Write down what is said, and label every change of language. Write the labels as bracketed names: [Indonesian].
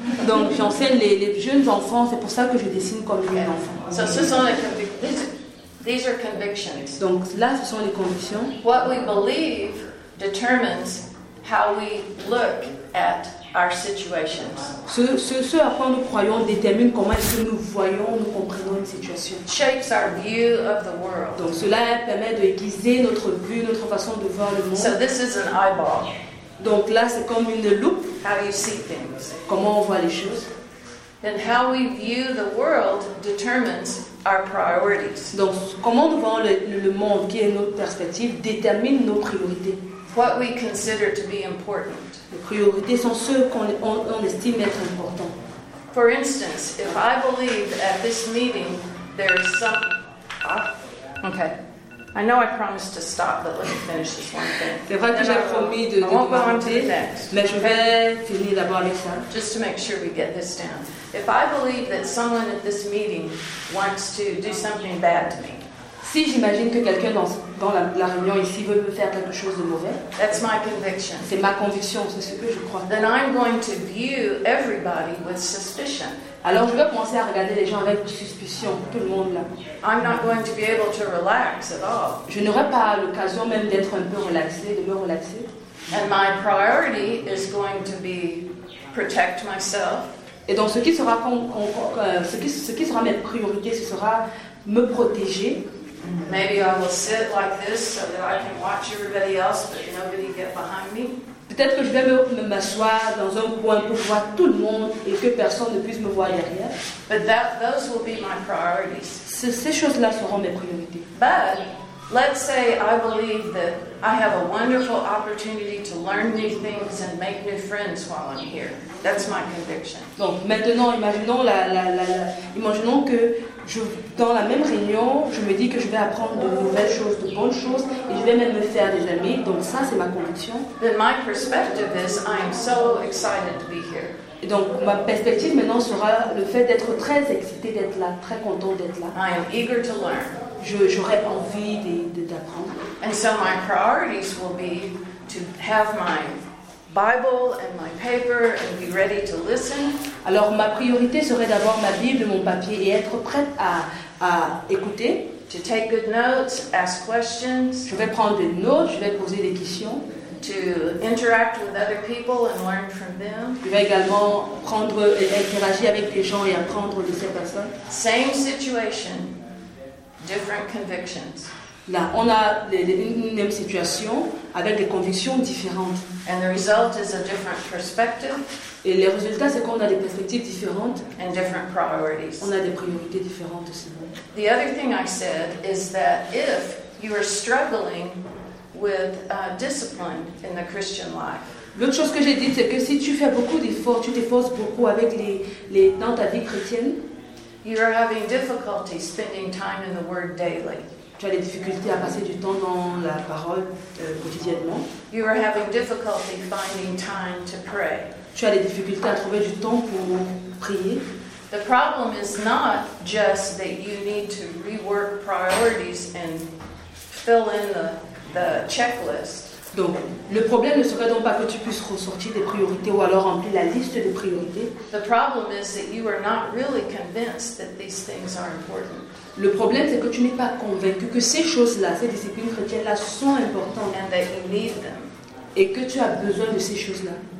[French] Donc j'enseigne les jeunes enfants, c'est pour ça que je dessine comme un enfant. So ce sont les convictions. [English] These are convictions. [French] Donc là, ce sont les convictions. [English] What we believe determines how we look at our situations. [French] Ce à quoi nous croyons détermine comment est-ce que nous voyons, nous comprenons une situation. [English] Shapes our view of the world. [French] Donc cela permet de aiguiser notre vue, notre façon de voir le monde. [English] So this is an eyeball. [French] Donc là, c'est comme une loupe. [English] How you see things. [French] Comment on voit les choses. [English] And how we view the world determines our priorities. [French] Donc, comment nous voyons le monde, qui est notre perspective, détermine nos priorités. [English] What we consider to be important. [French] Les priorités sont ceux qu'on estime être importants. [English] For instance, if I believe at this meeting there is some. Ah. Okay. I know I promised to stop, but let me finish this one thing. [French] C'est vrai que j'ai promis de vous arrêter, mais je vais finir d'abord avec ça. [English] Just to make sure we get this down. If I believe that someone at this meeting wants to do something bad to me, [French] si j'imagine que quelqu'un dans la réunion ici veut me faire quelque chose de mauvais, [English] that's my conviction. [French] C'est ma conviction, c'est ce que je crois. [English] Then I'm going to view everybody with suspicion. [French] Alors je vais commencer à regarder les gens avec suspicion, tout le monde là. [English] I'm not going to be able to relax at all. [French] Je n'aurai pas l'occasion même d'être un peu relaxé, de me relaxer. [English] And my priority is going to be protect myself. [French] Et donc ce qui sera ma priorité, ce sera me protéger. [English] Maybe I will sit like this so that I can watch everybody else, but nobody get behind me. [French] Peut-être que je vais me m'asseoir dans un coin pour voir tout le monde et que personne ne puisse me voir derrière. [English] But that, those will be my priorities. [French] Ces choses-là seront mes priorités. [English] But let's say I believe that I have a wonderful opportunity to learn new things and make new friends while I'm here. That's my conviction. [French] Donc maintenant, imaginons que dans la même réunion, je me dis que je vais apprendre de nouvelles choses, de bonnes choses, et je vais même me faire des amis. Donc ça, c'est ma conviction. [English] Then my perspective is, I am so excited to be here. [French] Et donc ma perspective maintenant sera le fait d'être très excité d'être là, très content d'être là. [English] I am eager to learn. [French] J'aurais envie d'apprendre. [English] And so my priorities will be to have my Bible and my paper and be ready to listen. [French] Alors ma priorité serait d'avoir ma Bible, mon papier et être prête à écouter. [English] To take good notes, ask questions. [French] Je vais prendre des notes, je vais poser des questions. [English] to interact with other people and learn from them. [French] Il va également prendre et interagir avec les gens et apprendre de ces personnes. [English] Same situation, different convictions. [French] Là, on a les mêmes situations avec des convictions différentes. [English] And the result is a different perspective. [French] Et le résultat, c'est qu'on a des perspectives différentes. [English] And different priorities. [French] On a des priorités différentes aussi. [English] The other thing I said is that if you are struggling with discipline in the Christian life. [French] L'autre chose que j'ai dit, c'est que si tu fais beaucoup d'efforts, tu t'efforces beaucoup avec les dans ta vie chrétienne. [English] You are having difficulty spending time in the Word daily. [French] Tu as des difficultés à passer du temps dans la parole quotidiennement. [English] You are having difficulty finding time to pray. [French] Tu as des difficultés à trouver du temps pour prier. [English] The problem is not just that you need to rework priorities and fill in the checklist. [French] Donc, le problème ne serait donc pas que tu puisses ressortir des priorités ou alors remplir la liste des priorités. [English] The problem is that you are not really convinced that these things are important. [French] Le problème, c'est que tu n'es pas convaincu que ces choses-là, ces disciplines chrétiennes-là, sont importantes. [English] And that you need them. [French] Et que tu as besoin de ces choses-là.